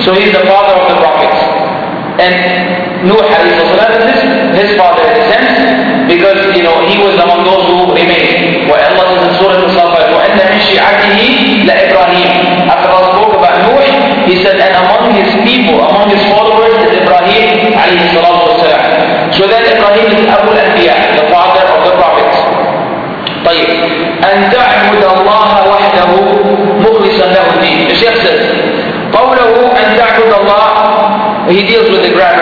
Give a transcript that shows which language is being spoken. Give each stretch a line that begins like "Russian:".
English: So he's the father of the prophets. And Nuh alayhi salam is his father in a sense, because you know he was among those who remained. Where Allah says in Surah Al-Safar,
Arabic: وَأَنَّ مِنْ شِعَتِهِ لَإِبْرَاهِيمَ.
English: After Allah spoke about Nuh, he said, and among his people, among his followers is Ibrahim alayhi salam. So that Ibrahim is Abu al-Anbiya, the father of the prophets.
Arabic: طيب. أن تعبد الله وحده مخلصا له الدين.
English: The Shaykh says,
Arabic: قوله أن تعبد الله,
English: he deals with the grammar.